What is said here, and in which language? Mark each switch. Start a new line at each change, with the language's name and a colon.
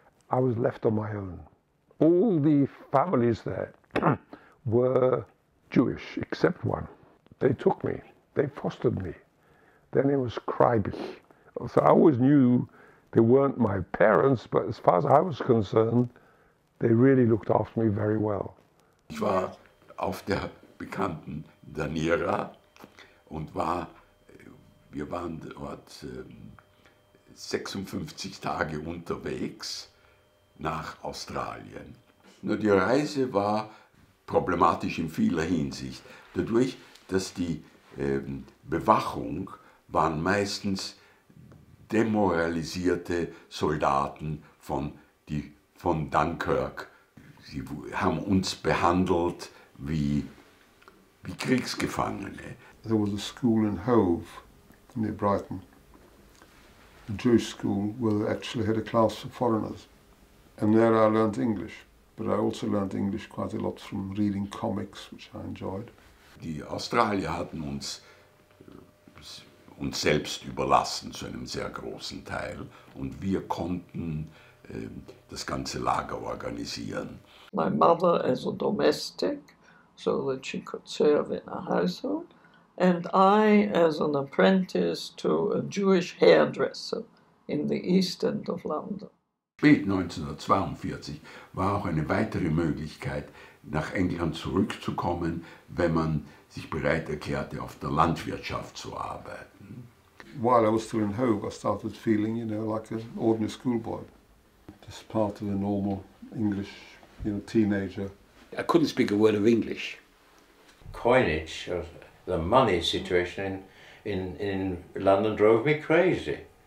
English: I was left on my own. All the families there were Jewish, except one. They took me, they fostered me. Their name was Kreibich. So I always knew they weren't my parents, but as far as I was concerned, they really looked after me very well.
German: Ich war auf der bekannten Daniera und wir waren dort 56 Tage unterwegs nach Australien. Nur die Reise war problematisch in vieler Hinsicht. Dadurch, dass die Bewachung waren meistens demoralisierte Soldaten von Dunkirk. Sie haben uns behandelt wie Kriegsgefangene.
English: There was a school in Hove, near Brighton, a Jewish school where they actually had a class for foreigners. And there I learned English, but I also learned English quite a lot from reading comics, which I enjoyed.
German: Die Australier hatten uns selbst überlassen zu einem sehr großen Teil und wir konnten das ganze Lager organisieren.
English: My mother is a domestic, so that she could serve in a household, and I as an apprentice to a Jewish hairdresser in the East End of London.
German: Spät 1942 war auch eine weitere Möglichkeit, nach England zurückzukommen, wenn man sich bereit erklärte, auf der Landwirtschaft zu arbeiten.
English: While I was still in Hove, I started feeling, you know, like an ordinary schoolboy. Just part of a normal English, you know, teenager. I couldn't speak a word of English. Coinage, or the money situation in London drove me crazy.